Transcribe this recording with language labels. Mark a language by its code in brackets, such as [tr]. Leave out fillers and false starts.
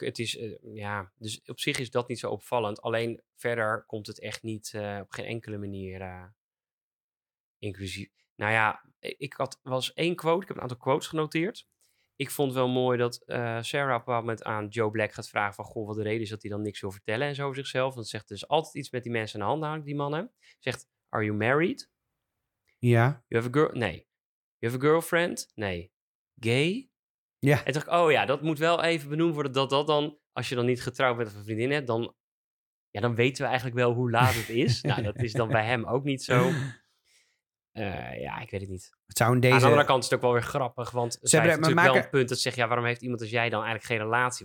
[nl] Het is, dus op zich is dat niet zo opvallend. Alleen verder komt het echt niet op geen enkele manier inclusief. Nou ja, ik had wel eens één quote. Ik heb een aantal quotes genoteerd. Ik vond wel mooi dat Sarah op een moment aan Joe Black gaat vragen van, goh, wat de reden is dat hij dan niks wil vertellen en zo over zichzelf. Want zegt dus altijd iets met die mensen aan de hand, namelijk die mannen. Zegt, [en] are you married? [nl] Ja. [en] You have a girl? [nl] Nee. [en] You have a girlfriend? Nee. Gay? [nl] Ja. En dacht ik, oh ja, dat moet wel even benoemd worden. Dat dan, als je dan niet getrouwd bent of een vriendin hebt, dan, ja, dan weten we eigenlijk wel hoe laat het is. Nou, dat is dan bij hem ook niet zo. Ja, ik weet het niet. Het zou in deze... Aan de andere kant is het ook wel weer grappig. Want ze hebben natuurlijk maken... wel een punt dat zegt, ja, waarom heeft iemand als jij dan eigenlijk geen relatie?